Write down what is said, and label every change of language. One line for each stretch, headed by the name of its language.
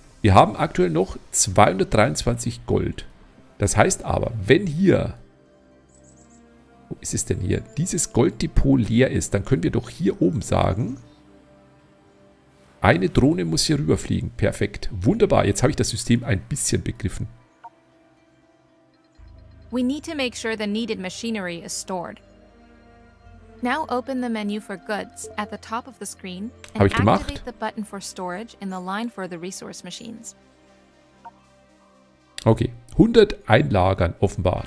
German: Wir haben aktuell noch 223 Gold. Das heißt aber, wenn hier... Wo ist es denn hier? Dieses Golddepot leer ist, dann können wir doch hier oben sagen... Eine Drohne muss hier rüberfliegen. Perfekt. Wunderbar. Jetzt habe ich das System ein bisschen begriffen.
English: We need to make sure the needed machinery is stored. Now open the menu for goods at the top of the screen and activate the button for storage in the line for the resource machines.
German: Okay, 100 einlagern offenbar.